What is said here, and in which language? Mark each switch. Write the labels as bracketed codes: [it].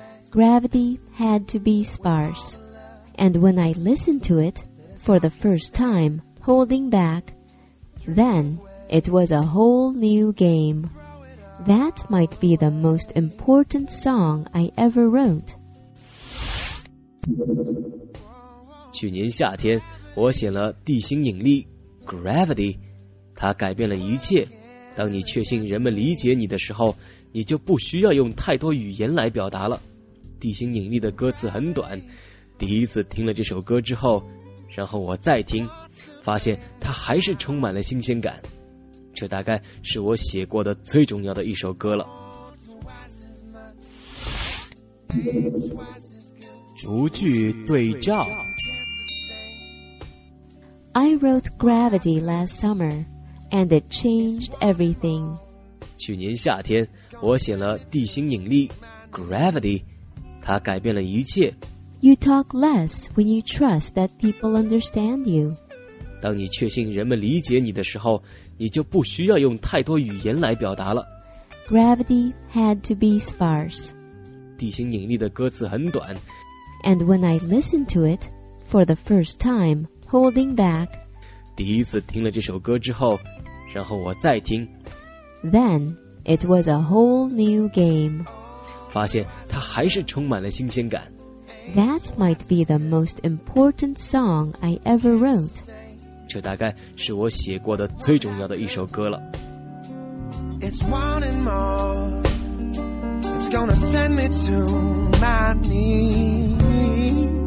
[en] Gravity had to be sparse. And when I listened to it, for the first time, holding back, then it was a whole new game. That might be the most important song I ever wrote. [zh] 去年夏天我写了地心引力 Gravity， 它改变了一切。当你确信人们理解你的时候，你就不需要用太多语言来表达了。地心引力的歌词很短，第一次听了这首歌之后，然后我再听，发现它还是充满了新鲜感。这大概是我写过的最重要的一首歌了。逐句对照。 [en] I wrote Gravity last summer, and it changed everything. [zh] 去年夏天，我写了地心引力 Gravity， 它改变了一切。 [en] You talk less when you trust that people understand you. [zh] 当你确信人们理解你的时候，你就不需要用太多语言来表达了。 [en] Gravity had to be sparse. [zh] 地心引力的歌词很短。 [en] And when I listened to it for the first time,Holding back. [zh] 第一次听了这首歌之后，然后我再听。 [en] Then it was a whole new game. [zh] 发现它还是充满了新鲜感。 [en] That might be the most important song I ever wrote. [zh] 这大概是我写过的最重要的一首歌了。 [en] It's one and more. It's gonna send me to my knees.